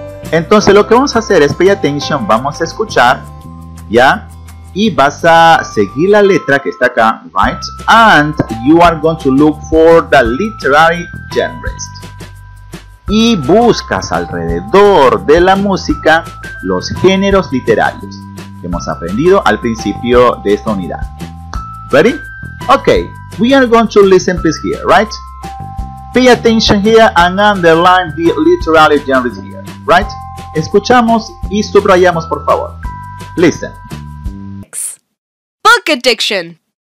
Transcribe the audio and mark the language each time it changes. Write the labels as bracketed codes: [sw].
[es] Entonces, lo que vamos a hacer es [en] pay attention. [es] Vamos a escuchar. ¿Ya? Y vas a seguir la letra que está acá. [en] Right? And you are going to look for the literary genres. [es] Y buscas alrededor de la música los géneros literarios que hemos aprendido al principio de esta unidad. [en] Ready? Okay, we are going to listen this here, right? Pay attention here and underline the literary genres here, right? [es] Escuchamos y subrayamos, por favor. [en] Listen. Book addiction.